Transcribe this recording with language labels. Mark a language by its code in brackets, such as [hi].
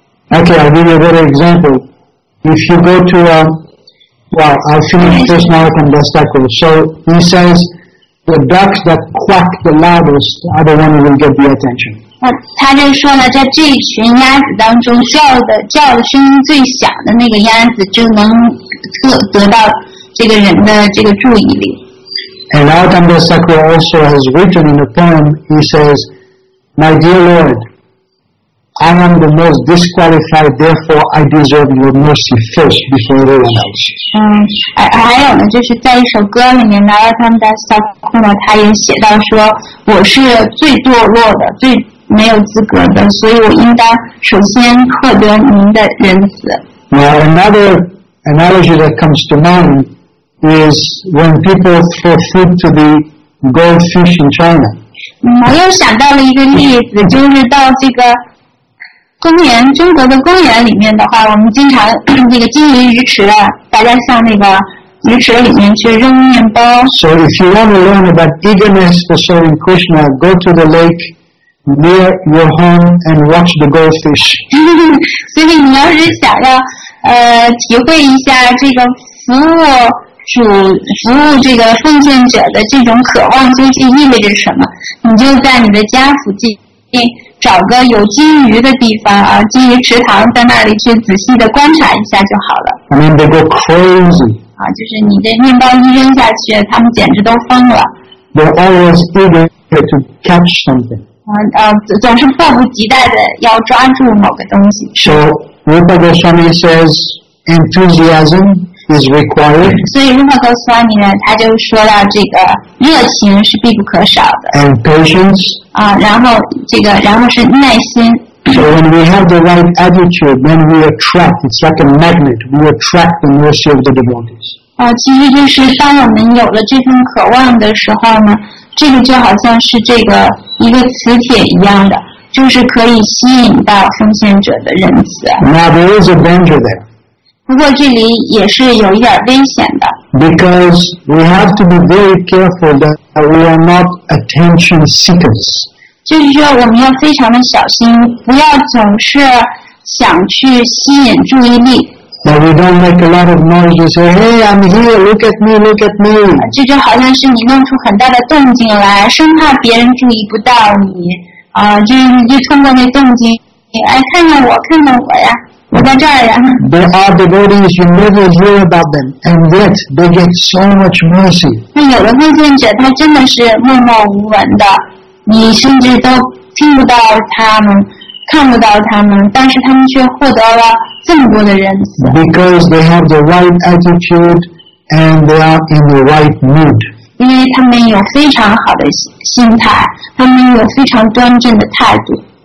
[en] Okay, I'll give you a better example. If you go to a, well, I'll finish this now from Dastaku. So he says, the ducks that quack the loudest are the ones who will get the attention. [zh] 他就说了，在这一群鸭子当中，叫的声音最响的那个鸭子就能得到这个人的这个注意力。 [en] And Adam Dastaku also has written in a poem, he says, my dear Lord,I am the most disqualified, therefore I deserve your mercy first before everyone else. [zh] 还有呢，就是在一首歌里面，拉他们的萨库呢，他也写到说，我是最堕落的，最没有资格的，所以我应当首先获得您的仁慈。 [en] Now another analogy that comes to mind is when people throw food to the goldfish in China. [zh] 我又想到了一个例子，就是到这个。公园，中国的公园里面的话，我们经常这个金鱼鱼池啊，大家向那个鱼池里面去扔面包。 [en] So if you want to learn about eagerness for serving Krishna, go to the lake near your home and watch the goldfish. [zh] 所以你要是想要体会一下这个服务主、服务这个奉献者的这种渴望究竟意味着什么，你就在你的家附近。找个有金鱼的地方啊，金鱼池塘，在那里去仔细的观察一下就好了。 [en] I mean they go crazy. [zh] 啊，就是你的面包一扔下去，他们简直都疯了。 [en] They're always eager to catch something. [zh] 总是迫不及待的要抓住某个东西。 [en] So Rupa Goswami says enthusiasm is required. [zh] 所以 Rupa Goswami 呢，他就说到这个热情是必不可少的。 [en] And patience. [zh] 然后是耐心。 [en] So when we have the right attitude, then we attract. It's like a magnet. We attract the mercy of the devotees. [zh] 其实就是当我们有了这份渴望的时候呢，这个就好像是这个一个磁铁一样的，就是可以吸引到奉献者的仁慈。 [en] Now there is a danger there. [zh] 不过这里也是有一点危险的。 [en] Because we have to be very careful that. We are not attention seekers. [zh] 就是说，我们要非常的小心，不要总是想去吸引注意力。 [en] That we don't make a lot of noise. You say, "Hey, I'm here. Look at me. Look at me." [zh] 这就好像是你弄出很大的动静来，生怕别人注意不到你啊！就通过那动静，哎，看看我，看看我呀，我在这儿呀。 [en] There are devotees you never hear about them, and yet they get so much mercy. [zh] 有的奉献者他真的是默默无闻的，你甚至都听不到他们，看不到他们，但是他们却获得了这么多的仁慈。 [en] Because they have the right attitude and they are in the right mood. [zh] 因为他们有非常好的心态，他们有非常端正的态度。